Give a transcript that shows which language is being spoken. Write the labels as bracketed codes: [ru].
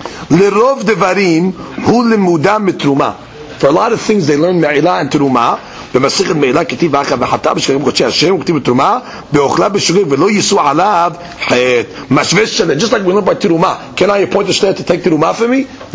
[he] לרוב דברים הוא למודה מתרומה. [en] For a lot of things they learn מעילה and תרומה. [he] במסכת מעילה כתיב אחר וחטא בשביל קודשי השם, וכתיב בתרומה באוכלה בשביל ולא יישאו עליו חטא. משווה שלה, [en] just like we learn by תרומה. Can I appoint a shleah to take תרומה for me?